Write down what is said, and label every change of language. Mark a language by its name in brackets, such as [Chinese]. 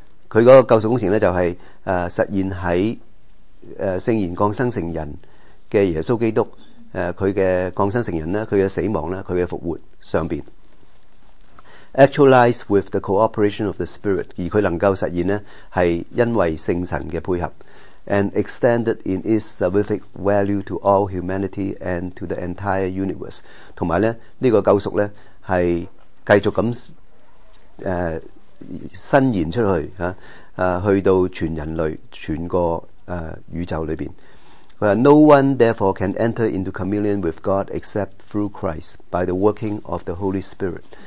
[Cantonese] 佢嗰个救赎工程咧，就系、是、实现喺圣言降生成人嘅耶稣基督佢嘅降生成人咧，佢嘅死亡咧，佢嘅复活上边 ， [English] actualize with the cooperation of the Spirit， [Cantonese] 而佢能够实现咧，系因为圣神嘅配合。 [English] And extended in its salvific value to all humanity and to the entire universe. [Cantonese] 同埋咧，呢個救贖咧係繼續咁伸延出去嚇，去到全人類、全個宇宙裏邊。佢話 [English] ：No one therefore can enter into communion with God except through Christ by the working of the Holy Spirit.